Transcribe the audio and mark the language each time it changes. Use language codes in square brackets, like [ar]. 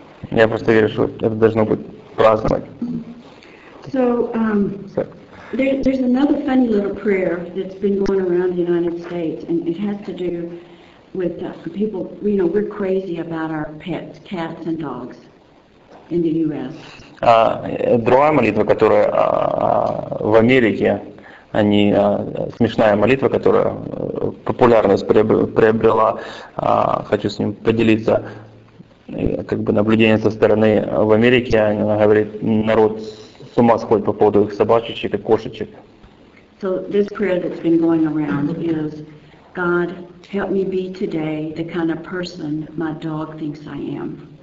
[ru] Я просто верю, что это должно быть праздновать. [en] So, there's another funny little prayer that's been going around the United States, and it has to do with people. You know, we're crazy about our pets, cats and dogs, in the U.S. [ru] Другая молитва, которая в Америке, они смешная молитва, которая популярность приобрела. Хочу с ним поделиться. Как бы наблюдение со стороны в Америке, она говорит, народ с ума сходит по поводу их собачечек и кошечек. [en] So this prayer that's been going around is, God, help me be today the kind of person my dog thinks I am.